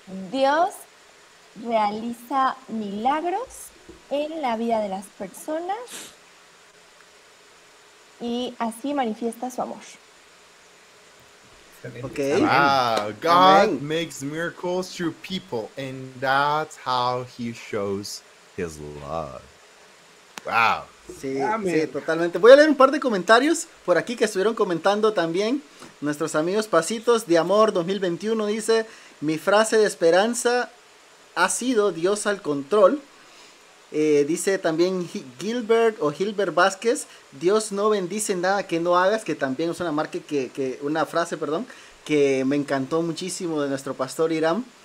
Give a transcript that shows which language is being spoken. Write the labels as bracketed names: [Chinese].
[Spanish] Dios realiza milagros en la vida de las personas y así manifiesta su amor. [English] Okay. Wow. God Amen. Makes miracles through people, and that's how he shows his love. Wow. [Spanish] Sí, sí, totalmente. Voy a leer un par de comentarios por aquí que estuvieron comentando también nuestros amigos Pasitos de Amor 2021. Dice: mi frase de esperanza ha sido Dios al control. Dice también Gilbert o Hilbert Vázquez: Dios no bendice nada que no hagas, que también es una marca que una frase, perdón, que me encantó muchísimo de nuestro pastor Irán.